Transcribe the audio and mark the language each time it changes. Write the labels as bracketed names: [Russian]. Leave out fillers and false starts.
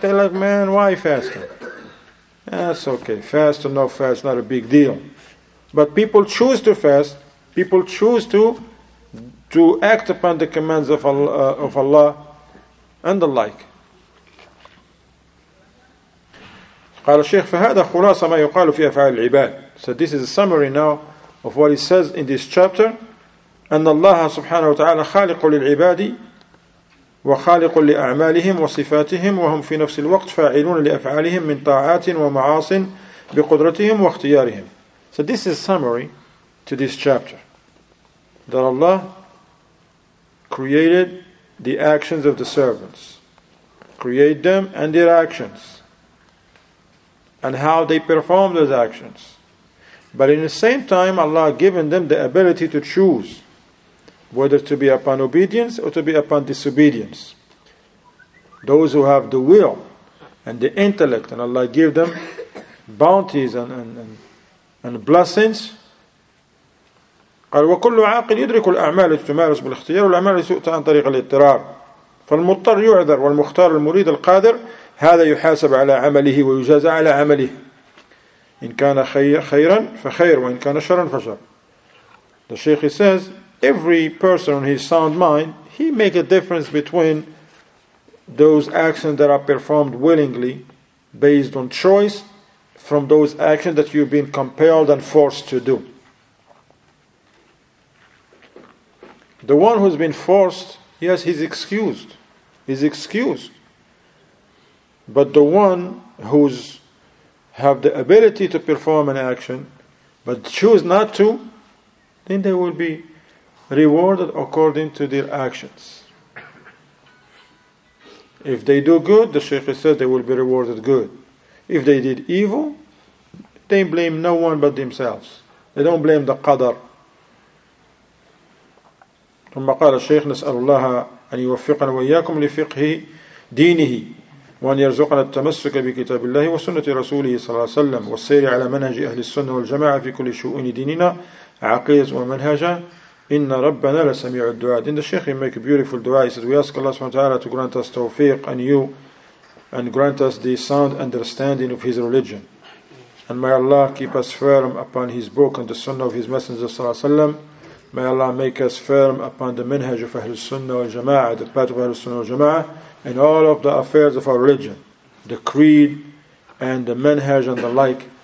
[English] They're like, man, why fasting? That's okay. Fast or no fast, not a big deal. But people choose to fast. People choose to act upon the commands of Allah and the like. [Arabic] قال الشيخ فهذا خلاص ما يقال في أفعال العباد. [English] So this is a summary now of what he says in this chapter, [Arabic] أن الله سبحانه وتعالى خالق للعباد وخالق لأعمالهم وصفاتهم وهم في نفس الوقت فاعلون لأفعالهم من طاعات ومعاص بقدرتهم واختيارهم. [English] So this is summary to this chapter, that Allah created the actions of the servants, create them and their actions, and how they perform those actions. But in the same time, Allah given them the ability to choose whether to be upon obedience or to be upon disobedience. Those who have the will and the intellect, and Allah give them bounties and blessings. [Arabic] قال وكل عاقل يدرك الأعمال تمارس بالاختيار والأعمال تؤتى عن طريق الاضطرار فالمضطر يعذر والمختار المريد القادر هذا يحاسب على عمله ويجازى على عمله إن كان خيرا فخير وإن كان شرا فشر. [English] The Sheikh says every person in his sound mind he makes a difference between those actions that are performed willingly based on choice from those actions that you've been compelled and forced to do. The one who's been forced, yes, he's excused. He's excused. But the one who's have the ability to perform an action, but choose not to, then they will be rewarded according to their actions. If they do good, the Shaykh says they will be rewarded good. If they did evil, they blame no one but themselves. They don't blame the Qadr. [Arabic] ثم قال الشيخ نسأل الله أن يوفقنا وإياكم لفقه دينه وأن يرزقنا التمسك بكتاب الله وسنة رسوله صلى الله عليه وسلم والسير على منهج أهل السنة والجماعة في كل شؤون ديننا عقيدة ومنهجا إن ربنا لسميع الدعاء. [English] In the Sheikh he make a beautiful dua. He says we ask Allah subhanahu wa ta'ala to grant us tawfiq and you and grant us the sound understanding of his religion and may Allah keep us firm upon his book and the sunnah of his messenger صلى الله عليه وسلم. May Allah make us firm upon the minhaj of Ahl Sunnah wal Jama'ah, the path of Ahl Sunnah wal Jama'ah, in all of the affairs of our religion, the creed and the minhaj and the like.